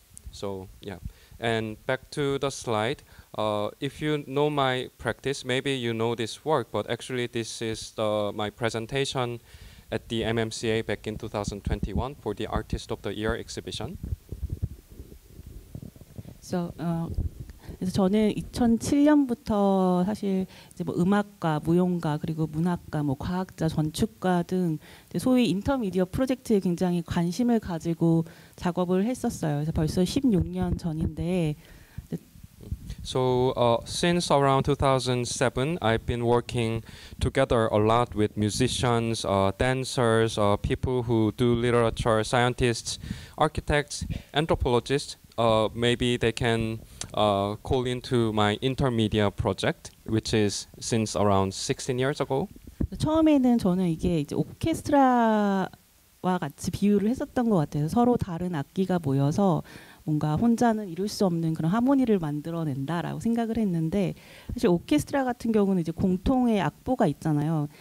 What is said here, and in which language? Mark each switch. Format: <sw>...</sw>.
<en>So yeah, and back to the slide. If you know my practice, maybe you know this work, but actually this is my presentation at the MMCA back in 2021 for the Artist of the Year exhibition.</en> <ko>So, 그래서 저는 2007년부터 사실 이제 뭐 음악과 무용가 그리고 문학과 뭐 과학자 전축가 등 이제 소위 인터미디어 프로젝트에 굉장히 관심을 가지고 작업을 했었어요. 그래서 벌써 16년 전인데.</ko> <en>So since around 2007, I've been working together a lot with musicians, dancers, people who do literature, scientists, architects, anthropologists. Maybe they can call into my intermedia project, which is since around 16 years ago.</en> <ko>처음에는 저는 이게 이제 오케스트라와 같이 비유를 했었던 것 같아요. 서로 다른 악기가 모여서 뭔가 혼자는 이룰 수 없는 그런 하모니를 만들어낸다라고 생각을 했는데 사실 오케스트라 같은 경우는 이제 공통의 악보가 있잖아요.</ko>